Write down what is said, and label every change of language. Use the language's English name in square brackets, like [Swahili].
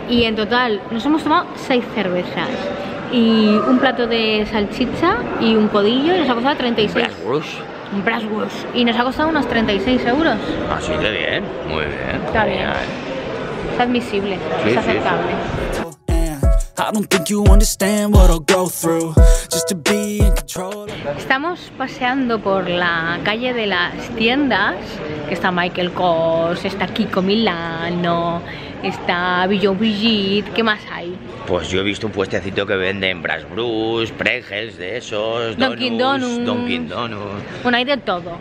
[Spanish] Y en total nos hemos tomado 6 cervezas. Y un plato de salchicha y un codillo y nos ha costado 36. Un brasgus. Y nos ha costado unos 36 euros. Así de bien, muy bien. Está bien. Es admisible, sí, es aceptable. Sí, sí. [English] I don't think you understand what I'll go through just to be in control. [Spanish] Estamos paseando por la calle de las tiendas, que está Michael Kors, está Kiko Milano, está Billon Brigitte, ¿qué más hay? Pues yo he visto un puestecito que venden Brass Brews, Pringles de esos, Dunkin' Donuts. Bueno, hay de todo.